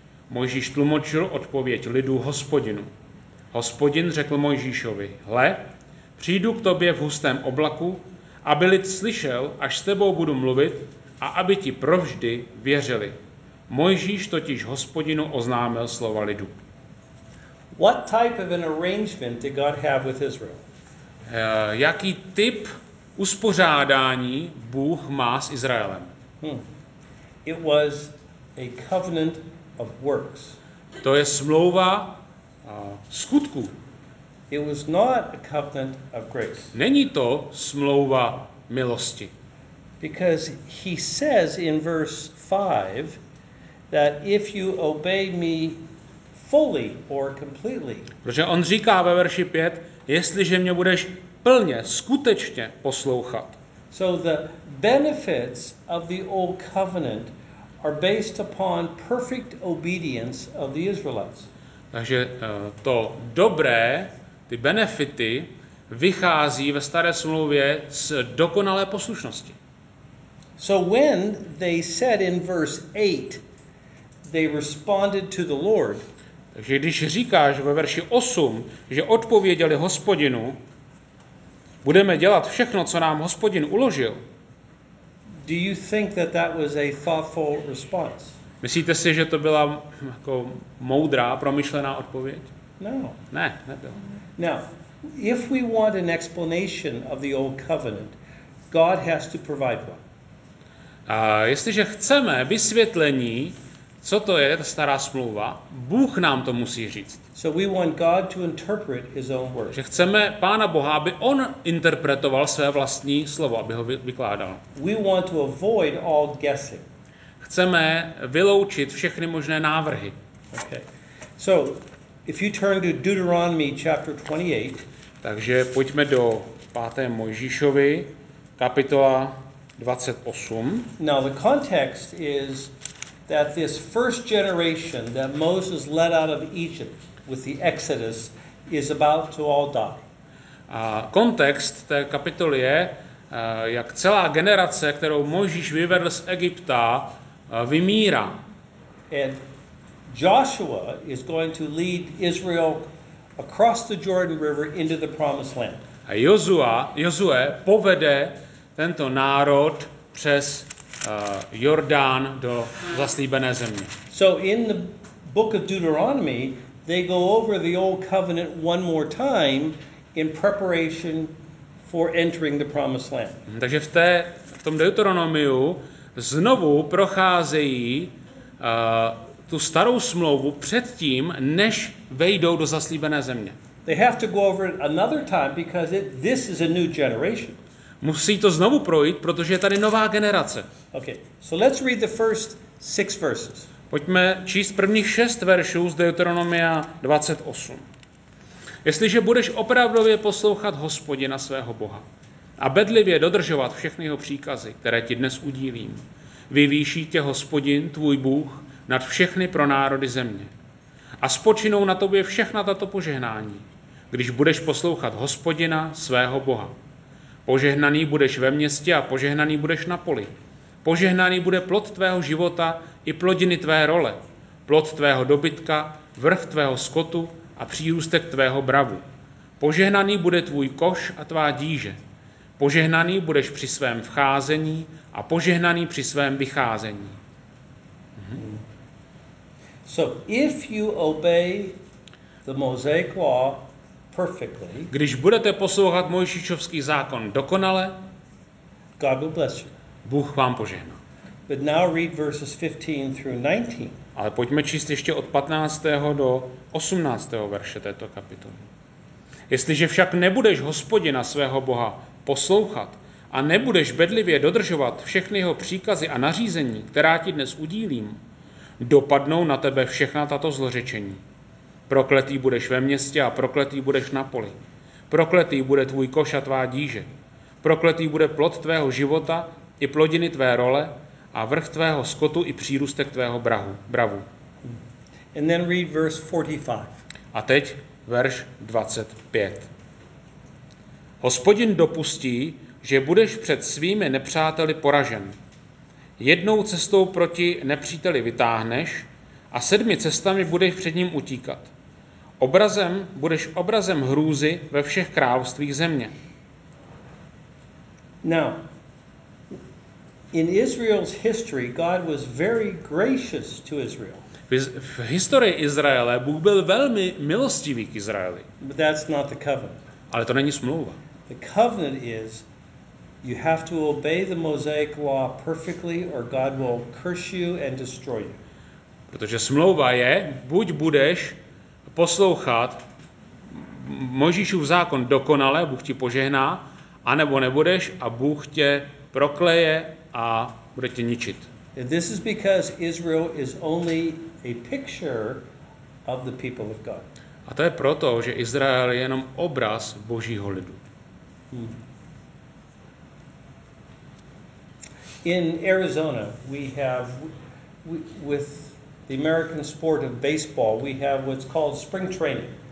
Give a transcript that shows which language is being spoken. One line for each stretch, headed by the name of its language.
Czech: Mojžíš tlumočil odpověď lidu Hospodinu. Hospodin řekl Mojžíšovi, hle, přijdu k tobě v hustém oblaku, aby lid slyšel, až s tebou budu mluvit a aby ti provždy věřili. Mojžíš totiž Hospodinu oznámil slova lidu.
English: What type of an arrangement did God have with Israel?
Czech: Jaký typ uspořádání Bůh má s Izraelem?
English: It was a covenant of works.
Czech: To je smlouva skutku.
English: It was not a covenant of grace.
Czech: Není to smlouva milosti.
English: Because he says in verse 5 that if you obey me fully or completely.
Czech: Protože on říká ve verši 5, jestliže mě budeš plně, skutečně poslouchat.
English: So the benefits of the old covenant are based upon perfect obedience of the Israelites.
Czech: Takže to dobré, ty benefity, vychází ve staré smlouvě z dokonalé poslušnosti.
English: So when they said in verse 8, they responded to the Lord.
Czech: Takže když říkáš ve verši 8, že odpověděli Hospodinu, budeme dělat všechno, co nám Hospodin uložil.
English: Do you think that that was a thoughtful response?
Czech: Myslíte si, že to byla jako moudrá, promyšlená odpověď?
English: No.
Czech: Ne, nebyla.
English: Now, if we want an explanation of the old covenant, God has to provide one.
Czech: A jestliže chceme vysvětlení, co to je ta stará smlouva, Bůh nám to musí říct.
English: So we want God to interpret his own word.
Czech: Že chceme Pána Boha, aby on interpretoval své vlastní slovo, aby ho vykládal.
English: We want to avoid all guessing.
Czech: Chceme vyloučit všechny možné návrhy.
English: Okay. So, if you turn to Deuteronomy chapter 28.
Czech: Takže pojďme do 5. Mojžíšovi, kapitola 28.
English: Now the context is that this first generation that Moses led out of Egypt with the Exodus is about to all die.
Czech: A kontext té kapitoly je, jak celá generace, kterou Mojžíš vyvedl z Egypta, vymírá.
English: And Joshua is going to lead Israel across the Jordan River into the promised land.
Czech: A Josué povede tento národ přes Jordán do zaslíbené země.
English: So in the book of Deuteronomy, they go over the old covenant one more time in preparation for entering the promised land.
Czech: Takže v tom Deuteronomiu znovu procházejí tu starou smlouvu předtím, než vejdou do zaslíbené země.
English: They have to go over it another time because this is a new generation.
Czech: Musí to znovu projít, protože je tady nová generace.
English: Okay. So let's read the first six verses.
Czech: Pojďme číst prvních šest veršů z Deuteronomia 28. Jestliže budeš opravdově poslouchat Hospodina svého Boha a bedlivě dodržovat všechny jeho příkazy, které ti dnes udílím, vyvýší tě Hospodin, tvůj Bůh, nad všechny pro národy země. A spočinou na tobě všechna tato požehnání, když budeš poslouchat Hospodina svého Boha. Požehnaný budeš ve městě a požehnaný budeš na poli. Požehnaný bude plod tvého života i plodiny tvé role, plod tvého dobytka, vrv tvého skotu a přírůstek tvého bravu. Požehnaný bude tvůj koš a tvá díže. Požehnaný budeš při svém vcházení a požehnaný při svém vycházení.
English: So if you obey the Mosaic law, perfectly.
Czech: Když budete poslouchat Mojžíšovský zákon dokonale,
English: God will bless you.
Czech: Bůh vám požehná.
English: But now read verses 15 through 19.
Czech: Ale pojďme číst ještě od 15. do 18. verše této kapitoly. Jestliže však nebudeš Hospodina svého Boha poslouchat a nebudeš bedlivě dodržovat všechny jeho příkazy a nařízení, která ti dnes udílím, dopadnou na tebe všechna tato zlořečení. Prokletý budeš ve městě a prokletý budeš na poli. Prokletý bude tvůj koš a tvá díže. Prokletý bude plod tvého života i plodiny tvé role a vrch tvého skotu i přírůstek tvého bravu.
English: And then read verse 45.
Czech: A teď verš 25. Hospodin dopustí, že budeš před svými nepřáteli poražen. Jednou cestou proti nepříteli vytáhneš a sedmi cestami budeš před ním utíkat. Obrazem budeš obrazem hrůzy ve všech královstvích země.
English: Now, in Israel's history, God was very gracious to Israel.
Czech: V historii Izraele Bůh byl velmi milostivý k Izraeli.
English: But that's not the covenant.
Czech: Ale to není smlouva.
English: The covenant is you have to obey the Mosaic law perfectly or God will curse you and destroy you.
Czech: Protože smlouva je, buď budeš poslouchat Mojžíšův zákon dokonale, Bůh ti požehná, anebo nebudeš a Bůh tě prokleje a bude tě ničit.
English: This is because Israel is only a picture of the people of God.
Czech: A to je proto, že Izrael je jenom obraz Božího lidu.
English: In Arizona, we have with the American sport of baseball, we have what's called spring training.